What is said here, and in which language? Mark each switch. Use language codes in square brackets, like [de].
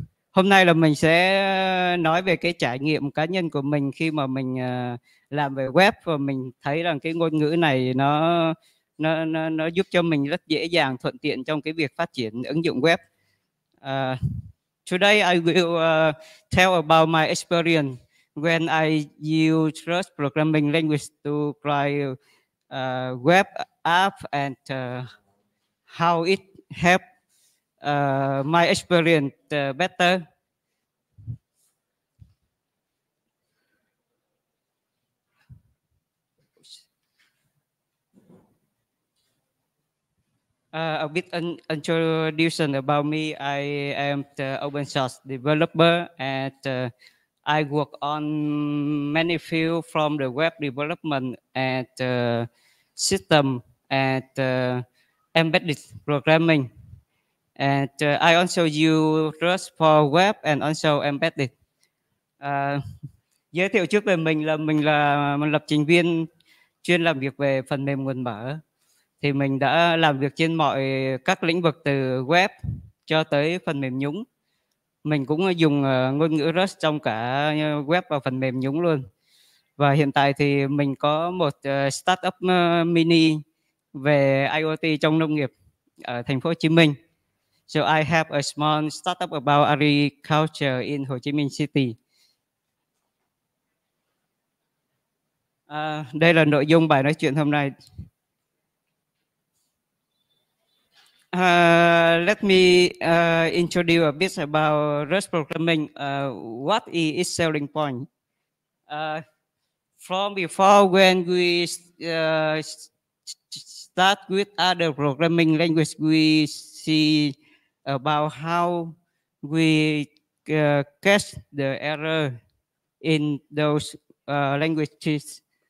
[vi] Hôm nay là mình sẽ nói về cái trải nghiệm cá nhân của mình khi mà mình làm về web, và mình thấy rằng cái ngôn ngữ này nó giúp cho mình rất dễ dàng, thuận tiện trong cái việc phát triển ứng dụng web. [en] Today I will tell about my experience when I use Rust programming language to write web app and how it helped my experience better. A bit introduction about me. I am the open source developer, and I work on many fields from the web development and system and embedded programming. And I also use Rust for web and also embedded. [vi] Giới thiệu trước về mình là một lập trình viên chuyên làm việc về phần mềm nguồn mở. Thì mình đã làm việc trên mọi các lĩnh vực từ web cho tới phần mềm nhúng. Mình cũng dùng ngôn ngữ Rust trong cả web và phần mềm nhúng luôn. Và hiện tại thì mình có một startup mini về IoT trong nông nghiệp ở thành phố Hồ Chí Minh. [en] So I have a small startup about agriculture in Ho Chi Minh City. [vi] Đây là nội dung bài nói chuyện hôm nay. [en] Let me introduce a bit about Rust programming. What is its selling point? From before, when we start with other programming language, we see about how we catch the error in those languages.